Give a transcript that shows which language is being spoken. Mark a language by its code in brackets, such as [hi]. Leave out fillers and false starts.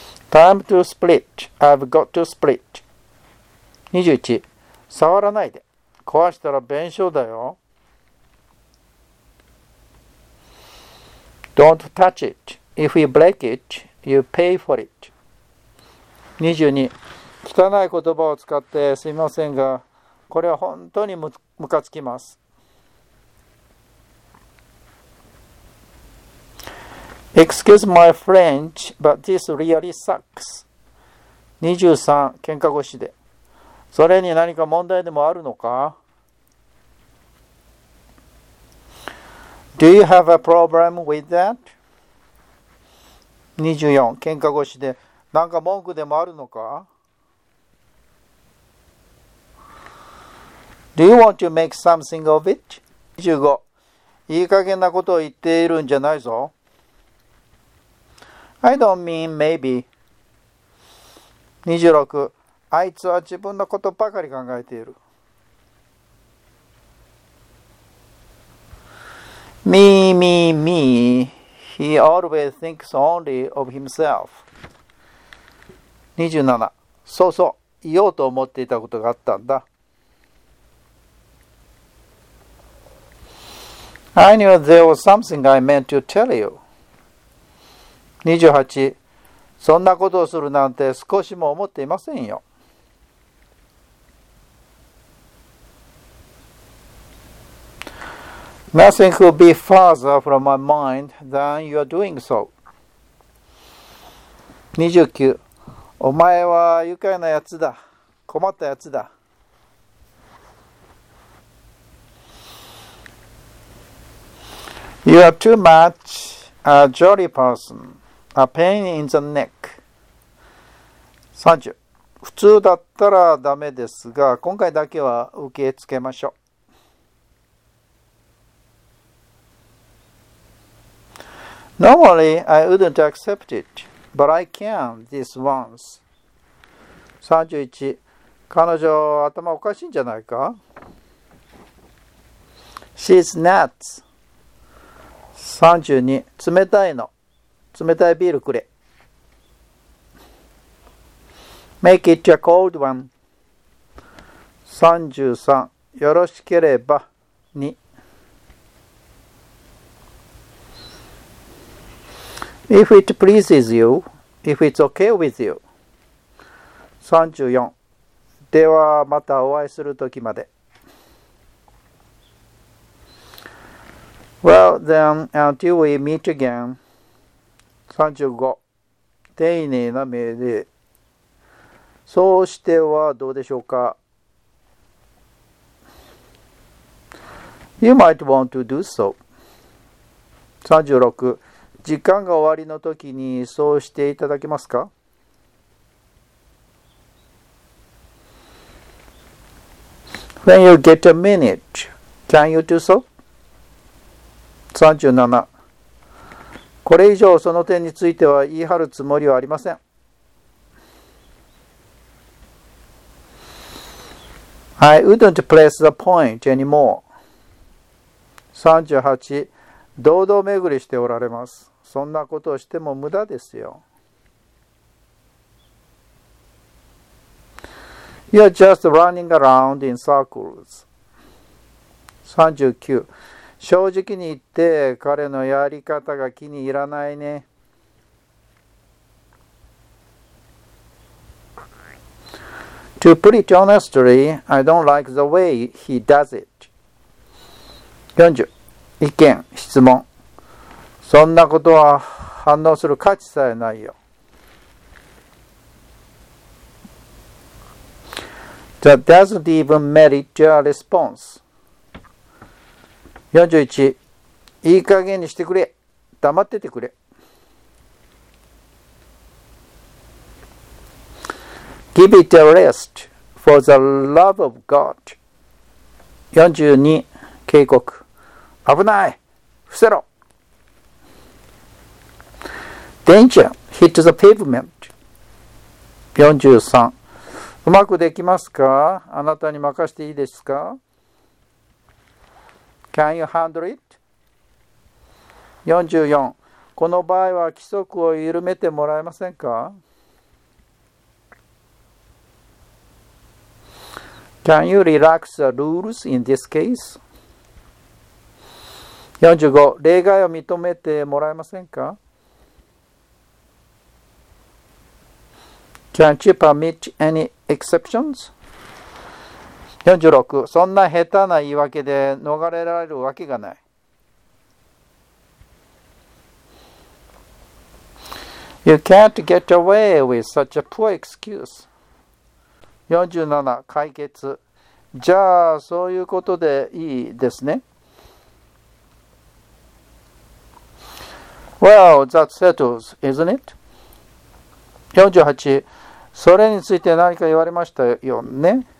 [en] Time to split. I've got to split. 21. [ja] 触らないで。壊したら弁償だよ。 [en] Don't touch it. If you break it, you pay for it. 22. [ja] 汚い言葉を使ってすみませんが、これは本当にムカつきます。 [en] Excuse my French, but this really sucks. 23. [ja] 喧嘩腰で。それに何か問題でもあるのか? [en] Do you have a problem with that? 24. [ja] 喧嘩腰で何か文句でもあるのか? [en] Do you want to make something of it? 25. [ja] いい加減なことを言っているんじゃないぞ。 [en] I don't mean maybe. [ja] 26. あいつは自分のことばかり考えている。 [en] Me, me, me. He always thinks only of himself. 27. [ja] そうそう。言おうと思っていたことがあったんだ。 [en] I knew there was something I meant to tell you. 28. [ja] そんなことをするなんて少しも思っていませんよ。 [en] Nothing could be farther from my mind than you are doing so. [ja] 29. お前は愉快なやつだ。困ったやつだ。 [en] You are too much a jolly person, a pain in the neck. 30. [ja] 普通だったらダメですが、今回だけは受け付けましょう。 [en] Normally, I wouldn't accept it, but I can this once. 31. [ja] 彼女、頭おかしいんじゃないか? [en] She's nuts. 32. [ja] 冷たいの。冷たいビールくれ。 [en] Make it a cold one. 33. [ja] よろしければ、に。 [en] If it pleases you, if it's okay with you. 34. [ja] ではまたお会いするときまで。 [en] Well, then, until we meet again. 35. [ja] 丁寧な目で。そうしてはどうでしょうか? [en] You might want to do so. 36. [ja] 時間が終わりの時にそうしていただけますか? [en] When you get a minute, can you do so? 37. [ja] これ以上その点については言い張るつもりはありません。 [en] I wouldn't place the point anymore. 38. [ja] 堂々巡りしておられます。そんなことをしても無駄ですよ。 [en] You are just running around in circles. 39. [ja] 正直に言って彼のやり方が気に入らないね。 [en] To put it honestly, I don't like the way he does it. [ja] 40. 意見、質問。そんなことは反応する価値さえないよ。 [en] That doesn't even merit your response. 41. [ja] いい加減にしてくれ。黙っててくれ。 [en] Give it a rest, for the love of God. [ja] 42. 警告。危ない。伏せろ。 [en] Danger, hit the pavement. 43. [ja] うまくできますか? あなたに任せていいですか? [en] Can you handle it? 44. [ja] この場合は規則を緩めてもらえませんか? [en] Can you relax the rules in this case? 45. [ja] 例外を認めてもらえませんか? [en] Can't you permit any exceptions? 46. [ja] そんな下手な言い訳で逃れられるわけがない。 [en] You can't get away with such a poor excuse. [ja] 47. 解決。じゃあ、そういうことでいいですね。 [en] Well, that settles, isn't it? 48. [ja] それについて何か言われましたよね。